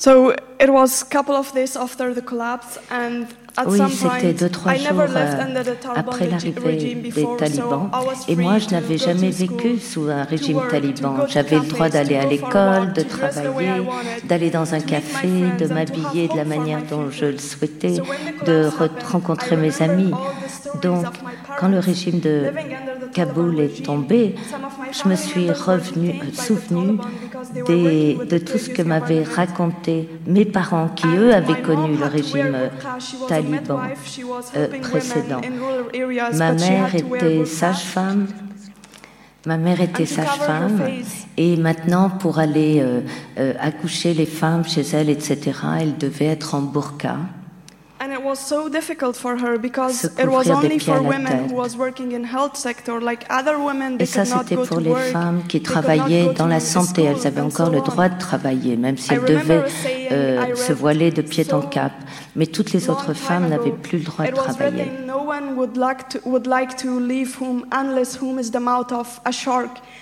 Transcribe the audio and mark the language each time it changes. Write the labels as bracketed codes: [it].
[en] So it was a couple of days after the collapse, and at [fr] oui, [en] some point, [fr] deux, trois jours, [en] I never lived under the Taliban regime before, so I was free. [fr] Et moi, je n'avais jamais vécu sous un régime taliban. J'avais le droit d'aller à l'école, de travailler, d'aller dans un café, de m'habiller de la manière dont je le souhaitais, de rencontrer mes amis. Donc, quand le régime de Kaboul est tombé, je me suis souvenue de tout ce que m'avaient raconté mes parents qui, eux, avaient connu le régime taliban précédent. Ma mère était sage-femme. Ma mère était sage-femme. Et maintenant, pour aller accoucher les femmes chez elle, etc., elle devait être en burqa. [en] And it was so difficult for her because it was only for women who was working in health sector, like other women they could not go to work. [fr] Et ça c'était pour les femmes qui travaillaient dans la santé. Elles avaient encore le droit de travailler, même si elles devaient se voiler de pied en cap. Mais toutes les autres femmes n'avaient plus le droit de travailler. [en] It was written, no one would like to leave home unless whom is the mouth of a shark.